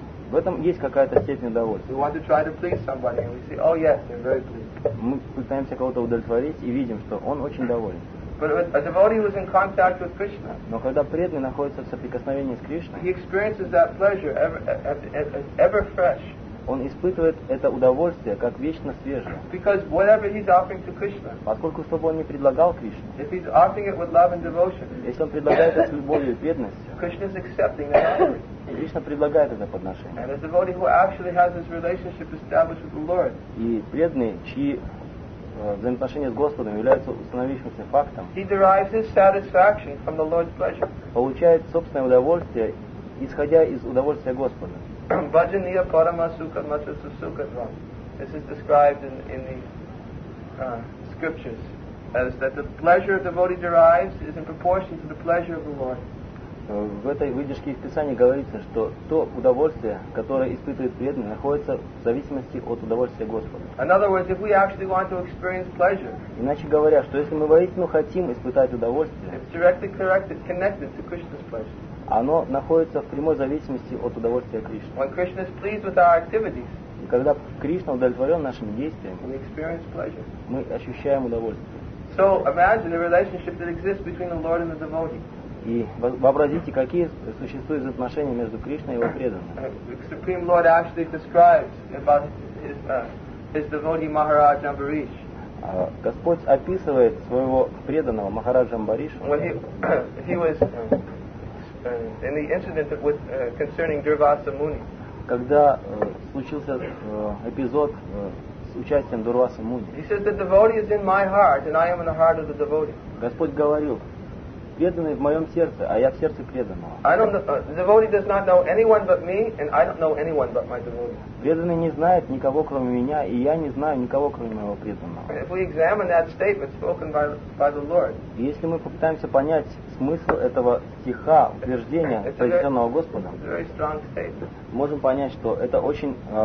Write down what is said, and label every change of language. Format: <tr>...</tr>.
<ru>В этом есть какая-то степень удовольствия.</ru> <en>We want to try to please somebody, and we see, oh yes, they're very pleased.</en> <ru>Мы пытаемся кого-то удовлетворить и видим, что он очень доволен.</ru> <en>But a devotee who's in contact with Krishna.</en> <ru>Но когда преданный находится в соприкосновении с Кришной,</ru> <en>he experiences that pleasure ever fresh.</en> <ru>Он испытывает это удовольствие как вечно свежее.</ru> <en>Because whatever he's offering to Krishna,</en> <ru>поскольку что бы он ни предлагал Кришне,</ru> <en>if he's offering it with love and devotion,</en> <ru>если он предлагает это с любовью и преданностью,</ru> <en>Krishna is accepting that offering.</en> <ru>Кришна предлагает это подношение.</ru> <en>And a devotee who actually has this relationship established with the Lord,</en> <ru>и преданный, чьи взаимоотношения с Господом являются установившимся фактом,</ru> <en>he derives his satisfaction from the Lord's pleasure.</en> <ru>Получает собственное удовольствие, исходя из удовольствия Господа.</ru> <sa>Bhajaniya paramasukha matrasa sukhadvam.</sa> <en>This is described in the scriptures as that the pleasure a devotee derives is in proportion to the pleasure of the Lord.</en> <ru>В этой выдержке из Писания говорится, что то удовольствие, которое испытывает преданный, находится в зависимости от удовольствия Господа.</ru> <en>In other words, if we actually want to experience pleasure,</en> <ru>иначе говоря, что если мы воистину хотим испытать удовольствие,</ru> <en>it's directly connected to Krishna's pleasure.</en> <ru>Оно находится в прямой зависимости от удовольствия Кришны.</ru> <en>When Krishna is pleased with our activities,</en> <ru>и когда Кришна удовлетворен нашими действиями,</ru> <en>we experience pleasure.</en> <ru>Мы ощущаем удовольствие.</ru> <en>So imagine the relationship that exists between the Lord and the devotee.</en> <ru>И вообразите, какие существуют отношения между Кришной и его преданным.</ru> <en>The Supreme Lord actually describes about his devotee Maharaj Ambarish.</en> <ru>Господь описывает своего преданного Махараджа Амбариша.</ru> <en>When he was in the incident with concerning Durvasa Muni.</en> <ru>Когда случился эпизод с участием Дурвасы Муни.</ru> <en>He says the devotee is in my heart and I am in the heart of the devotee.</en> <ru>Господь говорил: преданный в моем сердце, а я в сердце преданного.</ru> <en>I don't know, the devotee does not know anyone but me, and I don't know anyone but my devotee.</en> <ru>Преданный не знает никого кроме меня, и я не знаю никого кроме моего преданного.</ru> <en>If we examine that statement spoken by the Lord,</en> <ru>если мы попытаемся понять смысл этого стиха, утверждения, произнесенного Господом,</ru> <en>it's a very strong statement.</en> <ru>Можем понять, что это очень</ru>